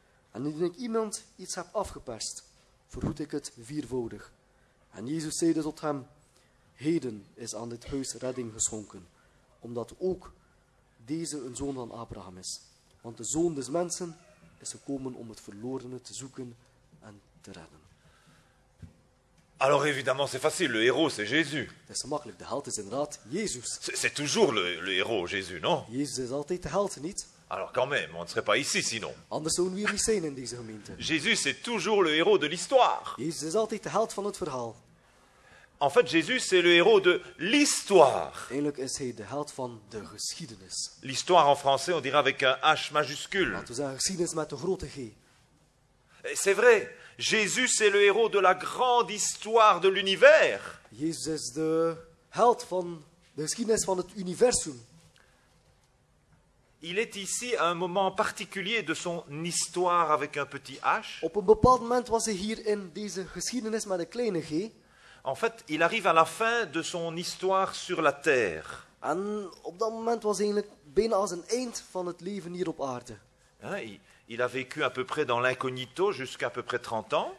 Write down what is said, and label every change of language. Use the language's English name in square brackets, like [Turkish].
[Dutch] En indien ik iemand iets heb afgeperst, vergoed ik het viervoudig. En Jezus zeide tot hem, heden is aan dit huis redding geschonken, omdat ook deze een zoon van Abraham is. Want de zoon des mensen is gekomen om het verlorene te zoeken en te redden. [French] Alors évidemment, c'est facile, le héros, c'est Jésus. C'est [Dutch] makkelijk, de held is inderdaad Jezus. [French] C'est toujours le héros, Jésus, non? [Dutch] Jezus is altijd de held, niet? [French] Alors quand même, on ne serait pas ici sinon. [Dutch] Anders zouden we hier niet zijn in deze gemeente. [French] Jésus, c'est toujours le héros de l'histoire. [Dutch] Jezus is altijd de held van het verhaal. [French] En fait, Jésus, c'est le héros de l'histoire. [Dutch] Eigenlijk is hij de held van de geschiedenis. [French] L'histoire en français, on dirait avec un H majuscule. [Dutch] Laten we zeggen, geschiedenis met een grote G. [French] Et c'est vrai. Jésus est le héros de la grande histoire de l'univers. [Dutch] Jezus is de held van de geschiedenis van het universum. [French] Il est ici à un moment particulier de son histoire avec un petit h. [Dutch] Op een bepaald moment was hij hier in deze geschiedenis met een kleine g. [French] En fait, il arrive à la fin de son histoire sur la terre. [Dutch] En op dat moment was hij eigenlijk bijna als een eind van het leven hier op aarde. [French] Il a vécu à peu près dans l'incognito jusqu'à à peu près 30 ans.